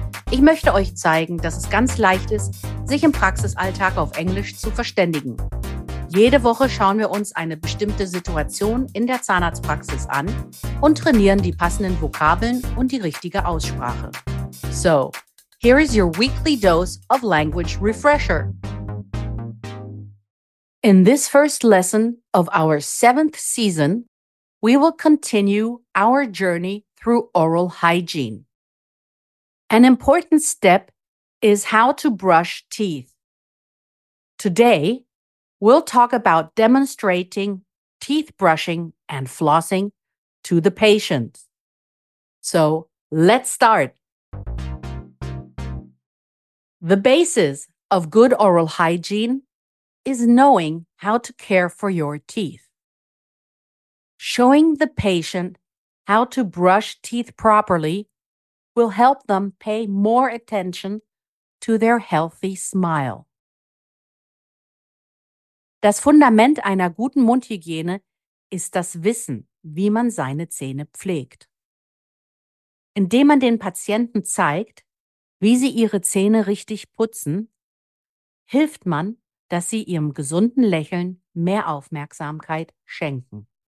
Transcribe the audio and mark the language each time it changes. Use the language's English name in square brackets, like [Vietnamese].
[German] Ich möchte euch zeigen, dass es ganz leicht ist, sich im Praxisalltag auf Englisch zu verständigen. Jede Woche schauen wir uns eine bestimmte Situation in der Zahnarztpraxis an und trainieren die passenden Vokabeln und die richtige Aussprache. [English] So, here is your weekly dose of language refresher. In this first lesson of our seventh season, we will continue our journey through oral hygiene. An important step is how to brush teeth. Today, we'll talk about demonstrating teeth brushing and flossing to the patient. So, let's start. The basis of good oral hygiene is knowing how to care for your teeth. Showing the patient how to brush teeth properly will help them pay more attention to their healthy smile. [German] Das Fundament einer guten Mundhygiene ist das Wissen, wie man seine Zähne pflegt. Indem man den Patienten zeigt, wie sie ihre Zähne richtig putzen, hilft man, dass sie ihrem gesunden Lächeln mehr Aufmerksamkeit schenken.